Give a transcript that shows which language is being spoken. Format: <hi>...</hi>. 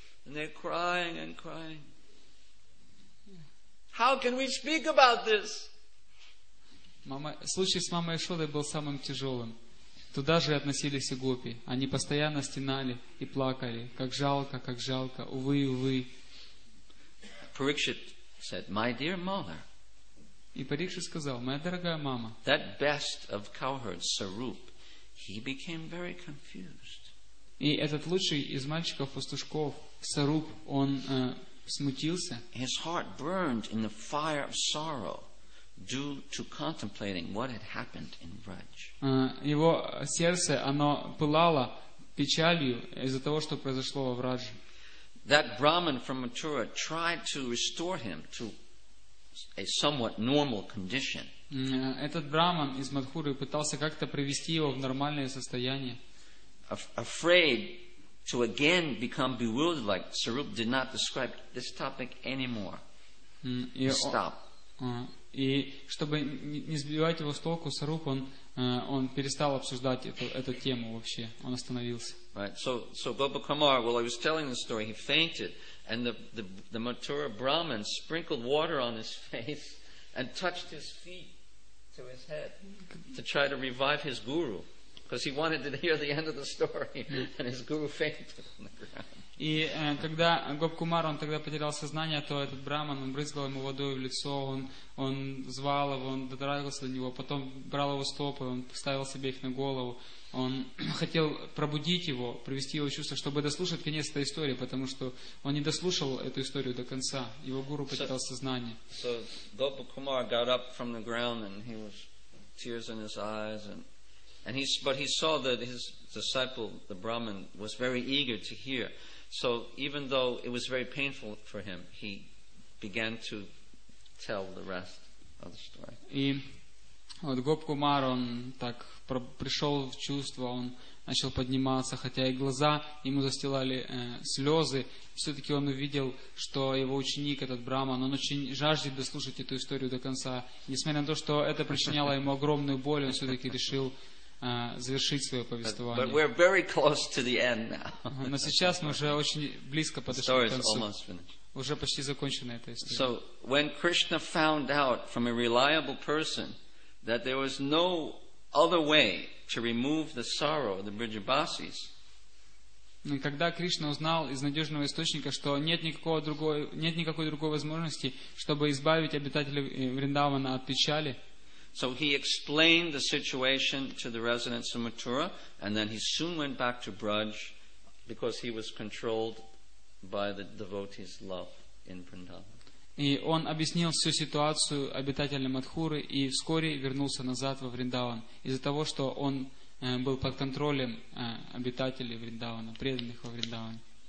<en>And they're crying and crying. How can we speak about this?</en> <ru>Случай с мамой Ишодой был самым тяжелым. Туда же относились и гопи. Они постоянно стенали и плакали. Как жалко, увы, увы.</ru> <en>Парикшит said, my dear mother.</en> <ru>И Парикшит сказал, моя дорогая мама.</ru> <en>That best of cowherds, Saroop, he became very confused.</en> <ru>И этот лучший из мальчиков-пастушков, Саруп, он смутился.</ru> <en>His heart burned in the fire of sorrow due to contemplating what had happened in Braj.</en> <ru>Его сердце, оно пылало печалью из-за того, что произошло во Враже.</ru> <en>That Brahmin from Mathura tried to restore him to a somewhat normal condition.</en> <ru>Этот Брахман из Мадхуры пытался как-то привести его в нормальное состояние.</ru> <en>Afraid to again become bewildered, like Sarup did not describe this topic anymore. Stop.</en> <ru>И чтобы не сбивать его с толку, Саруп он перестал обсуждать эту тему вообще. Он остановился.</ru> <en>Right. So Gopakumar, while I was telling the story, he fainted, and the Mathura Brahmin sprinkled water on his face and touched his feet to his head to try to revive his guru. because he wanted to hear the end of the story, and his guru fainted on the ground.</en> <ru>И когда Гоп-Кумар, он тогда потерял сознание, то этот браман, он брызгал ему водой в лицо, он звал его, он дотрагивался до него, потом брал его стопы, он поставил себе их на голову, он хотел пробудить его, привести его в чувство, чтобы дослушать конец этой истории, потому что он не дослушал эту историю до конца, его гуру потерял сознание.</ru> <en>So Гоп-Кумар got up from the ground, and he was tears in his eyes, but he saw that his disciple, the Brahman, was very eager to hear. So even though it was very painful for him, he began to tell the rest of the story.</en> <ru>И вот Гоп-Кумар, он так пришел в чувство, он начал подниматься, хотя и глаза ему застилали слезы, все-таки он увидел, что его ученик, этот Брахман, он очень жаждет дослушать эту историю до конца. Несмотря на то, что это причиняло ему огромную боль, он все-таки решил завершить свое повествование.</ru> <en>But we're very close to the end now.</en> <ru>Но сейчас мы уже очень близко подошли к концу. Уже почти закончена эта история.</ru> <en>So when Krishna found out from a reliable person that there was no other way to remove the sorrow of the Brijabasis,</en> <ru>когда Кришна узнал из надежного источника, что нет никакой другой возможности, чтобы избавить обитателей Вриндавана от печали.</ru> <en>So he explained the situation to the residents of Mathura, and then he soon went back to Braj, because he was controlled by the devotees' love in Vrindavan.</en> <ru>И он объяснил всю ситуацию обитателям Мадхуры и вскоре вернулся назад во Вриндаван из-за того, что он был под контролем обитателей Вриндавана, преданных во Вриндаване.</ru>